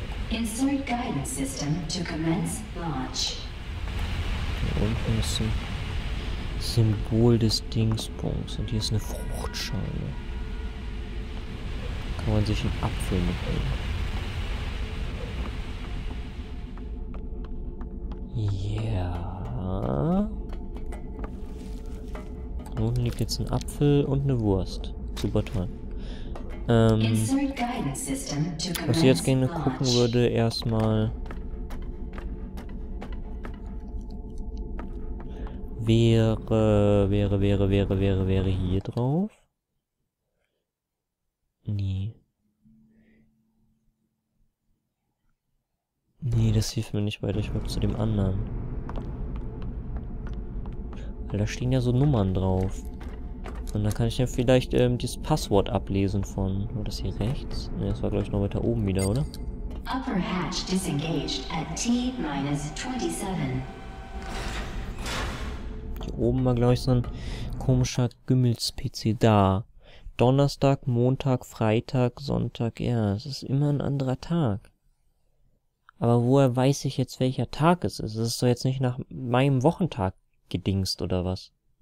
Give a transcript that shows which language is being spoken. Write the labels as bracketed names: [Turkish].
[English] Insert guidance system to commence launch. [German] Hier unten ist ein Symbol des Dingsbums und hier ist eine Fruchtschale. Kann man sich einen Apfel mitnehmen? [English] Yeah. [German] Unten liegt jetzt ein Apfel und eine Wurst. Super toll. Was ich jetzt gerne gucken würde, erstmal wäre hier drauf. Nee, das hilft mir nicht weiter. Ich will zu dem anderen. Weil da stehen ja so Nummern drauf. Und dann kann ich ja vielleicht dieses Passwort ablesen von. War das hier rechts? Ne, das war gleich noch weiter oben wieder, oder? [English] Upper hatch disengaged at T-27. [German] Hier oben war, glaube ich, so ein komischer Gümmels-PC da. Donnerstag, Montag, Freitag, Sonntag. Ja, es ist immer ein anderer Tag. Aber woher weiß ich jetzt, welcher Tag es ist? Es ist doch jetzt nicht nach meinem Wochentag gedingst oder was?